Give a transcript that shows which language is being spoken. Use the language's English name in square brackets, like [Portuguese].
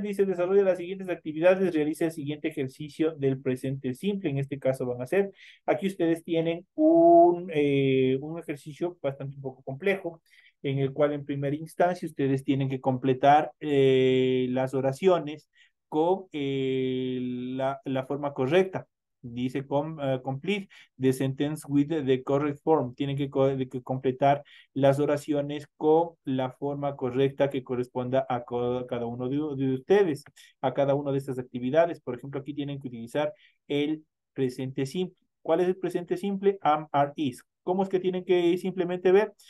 [Spanish] Dice, desarrolla las siguientes actividades, realice el siguiente ejercicio del presente simple, en este caso van a hacer. Aquí ustedes tienen un ejercicio bastante un poco complejo, en el cual en primera instancia ustedes tienen que completar las oraciones con la forma correcta. [English] Dice complete the sentence with the correct form. [Spanish] Tienen que completar las oraciones con la forma correcta que corresponda a cada uno de ustedes, a cada una de estas actividades. Por ejemplo, aquí tienen que utilizar el presente simple. ¿Cuál es el presente simple? Am, are, is. ¿Cómo es que tienen que simplemente ver?